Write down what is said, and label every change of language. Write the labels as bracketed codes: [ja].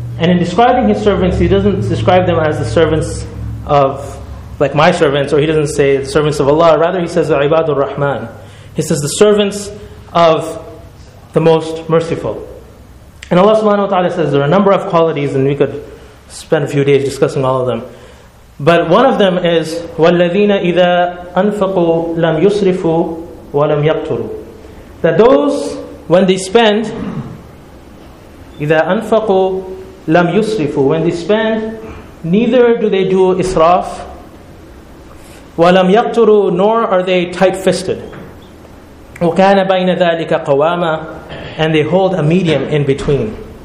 [en] And in describing His servants, He doesn't describe them as the servants of, like, my servants, or He doesn't say the servants of Allah. Rather, He says, [ar] عِبَادُ الرَّحْمَنِ. [en] He says, the servants of the Most Merciful. And Allah subhanahu wa ta'ala says, there are a number of qualities, and we could spend a few days discussing all of them. But one of them is, [ar] وَالَّذِينَ إِذَا أَنفَقُوا لَمْ يُسْرِفُوا وَلَمْ يَقْتُرُوا. [en] That those, when they spend, [ar] إِذَا أَنفَقُوا لَمْ يُسْرِفُوا, [en] when they spend, neither do they do israf, [ar] وَلَمْ يَقْتُرُوا, [en] nor are they tight-fisted. [ar] وَكَانَ بَيْنَ ذَلِكَ قَوَامًا, [en] and they hold a medium in between.